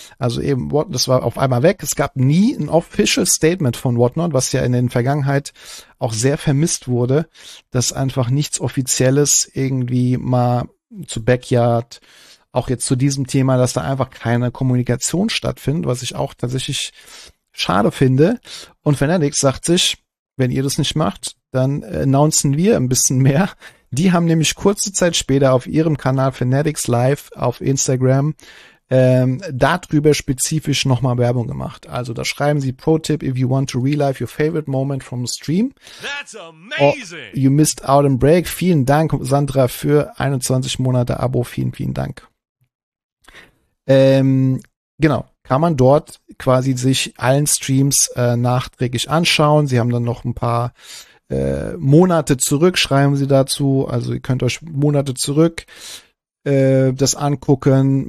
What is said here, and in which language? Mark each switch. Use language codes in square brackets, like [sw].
[de] Also eben, das war auf einmal weg. Es gab nie ein Official Statement von Whatnot, was ja in der Vergangenheit auch sehr vermisst wurde, dass einfach nichts Offizielles irgendwie mal zu Backyard, auch jetzt zu diesem Thema, dass da einfach keine Kommunikation stattfindet, was ich auch tatsächlich schade finde. Und Fanatics sagt sich, wenn ihr das nicht macht, dann announcen wir ein bisschen mehr. Die haben nämlich kurze Zeit später auf ihrem Kanal Fanatics Live auf Instagram darüber spezifisch nochmal Werbung gemacht. Also da schreiben sie, [en] Pro-Tip, if you want to relive your favorite moment from the stream, that's amazing. You missed out on break. [de] Vielen Dank, Sandra, für 21 Monate Abo. Vielen, vielen Dank. Genau, kann man dort quasi sich allen Streams nachträglich anschauen. Sie haben dann noch ein paar Monate zurück, schreiben sie dazu. Also ihr könnt euch Monate zurück das angucken.